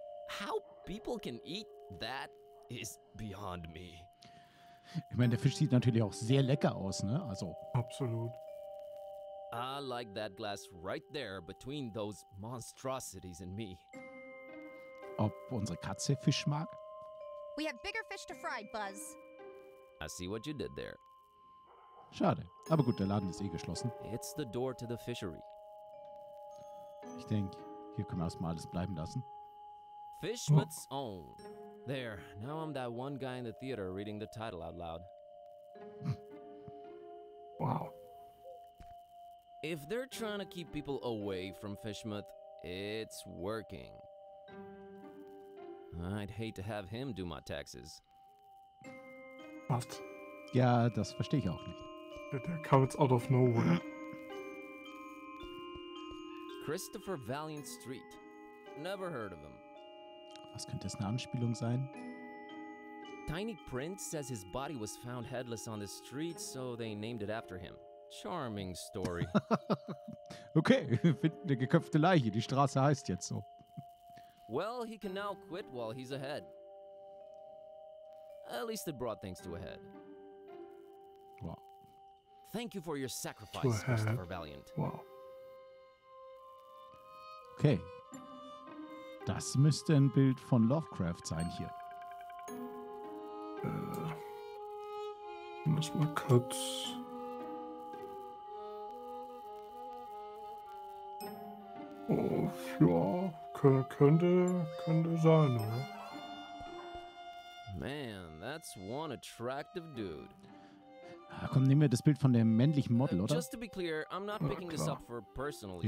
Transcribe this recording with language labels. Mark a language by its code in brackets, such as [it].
[en] How people can eat that is beyond me. [de] Ich meine, der Fisch sieht natürlich auch sehr lecker aus, ne? Also. Absolut. [en] I like that glass right there between those monstrosities and me. [de] Ob unsere Katze Fisch mag? [en] We have bigger fish to fry, Buzz. I see what you did there. [de] Schade. Aber gut, der Laden ist eh geschlossen. [en] It's the door to the fishery. [de] Ich denke, hier können wir erstmal alles bleiben lassen. [en] Fishmouth's own. There, now I'm that one guy in the theater reading the title out loud. Wow. If they're trying to keep people away from Fishmouth, it's working. I'd hate to have him do my taxes. What? [de] Ja, das verstehe ich auch nicht. Der kam jetzt [en] out of nowhere. Christopher Valiant Street. Never heard of him. [de] Was könnte das, eine Anspielung sein? [en] Tiny Prince says his body was found headless on the street, so they named it after him. Charming story. [de] Okay, finden eine geköpfte Leiche, die Straße heißt jetzt so. [en] Well, he can now quit while he's ahead. At least it brought things to a head. Wow. Thank you for your sacrifice, Christopher Valiant. Wow. Okay. [de] Das müsste ein Bild von Lovecraft sein hier. Muss mal kurz. Oh, ja, könnte sein, oder? [en] Man, that's one attractive dude. [de] Komm, nehmen wir das Bild von dem männlichen Model, oder? [en] Just to be clear, I'm not picking this up for personal use.